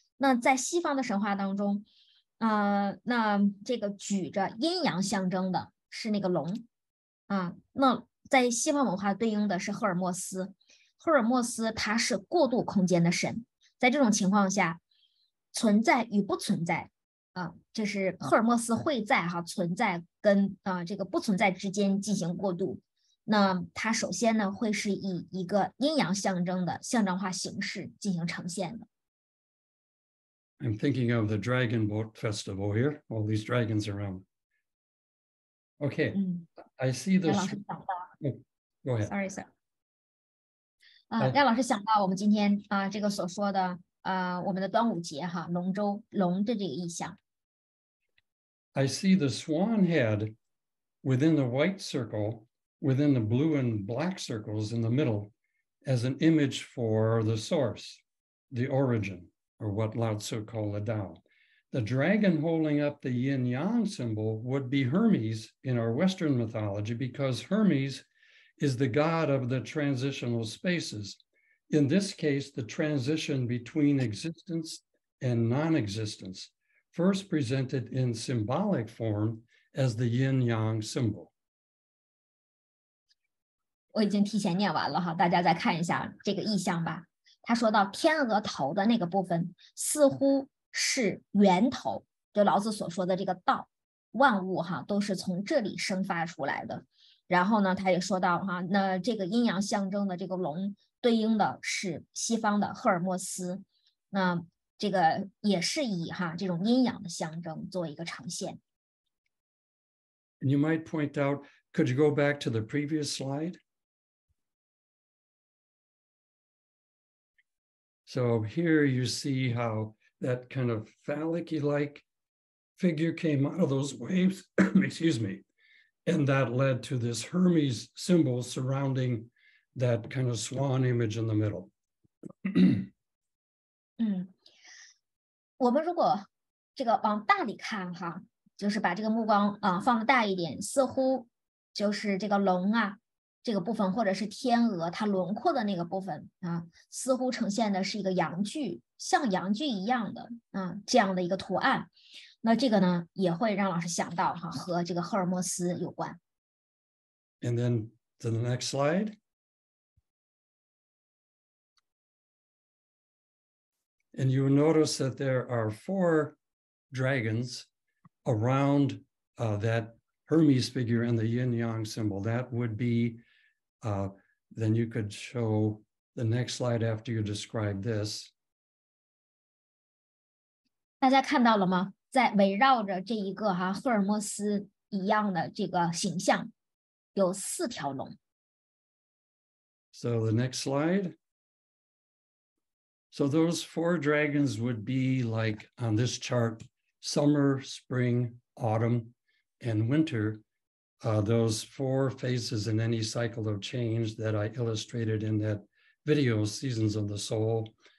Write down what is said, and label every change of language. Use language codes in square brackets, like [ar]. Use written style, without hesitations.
[zh] 那在西方的神话当中，那这个举着阴阳象征的是那个龙，那在西方文化对应的是赫尔墨斯，赫尔墨斯他是过渡空间的神，在这种情况下，存在与不存在，就是赫尔墨斯会在哈存在跟这个不存在之间进行过渡，那他首先呢会是以一个阴阳象征的象征化形式进行呈现的。 [en] I'm thinking of the Dragon Boat Festival here. All these dragons around. Okay, I see the. [zh] 赖老师想到。 [en] Go ahead. Sorry, sir. [zh] 赖老师想到我们今天这个所说的我们的端午节哈，龙舟龙的这个意象。 [en] I see the swan head within the white circle, within the blue and black circles in the middle, as an image for the source, the origin. Or what Lao Tzu called the Tao. The dragon holding up the yin yang symbol would be Hermes in our Western mythology because Hermes is the god of the transitional spaces. In this case, the transition between existence and non-existence, first presented in symbolic form as the yin yang symbol. [zh] 我已经提前念完了哈，大家再看一下这个意象吧。他说到天鹅头的那个部分似乎是源头，就老子所说的这个道，万物哈都是从这里生发出来的。然后呢他也说到哈，那这个阴阳象征的这个龙对应的是西方的赫尔墨斯，那这个也是以哈这种阴阳的象征做一个呈现。 [en] You might point out, could you go back to the previous slide? So here you see how that kind of phallic-like figure came out of those waves, excuse me, and that led to this Hermes symbol surrounding that kind of swan image in the middle. [zh] 我们如果这个往大里看哈，就是把这个目光放得大一点，似乎就是这个龙啊。这个部分或者是天鹅它轮廓的那个部分似乎呈现的是一个阳具，像阳具一样的这样的一个图案，那这个呢也会让老师想到和这个赫尔墨斯有关。 [en] And then to the next slide. And you notice that there are four dragons around that Hermes figure and the yin yang symbol. That would bethen you could show the next slide after you describe this. [zh] 大家看到了吗？在围绕着这一个哈赫尔墨斯一样的这个形象，有四条龙。 [en] So the next slide. So those four dragons would be like on this chart, summer, spring, autumn, and winter. Those four phases in any cycle of change that I illustrated in that video, Seasons of the Soul.